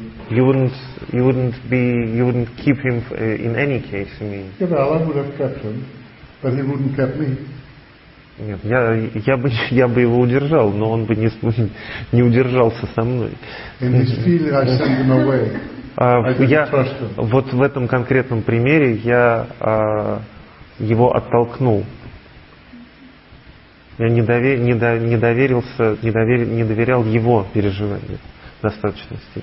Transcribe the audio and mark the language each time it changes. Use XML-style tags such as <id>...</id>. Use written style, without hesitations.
<en>You wouldn't keep him in any case. I mean. Yeah, well, I would have kept him, but he wouldn't kept me.</en> <ru>Нет, я бы его удержал, но он бы не удержался со мной.</ru> <en>In his feeling, I send him away.</en> <ru>Вот в этом конкретном примере я его оттолкнул. Я не доверял его переживаниям в достаточной степени.</ru>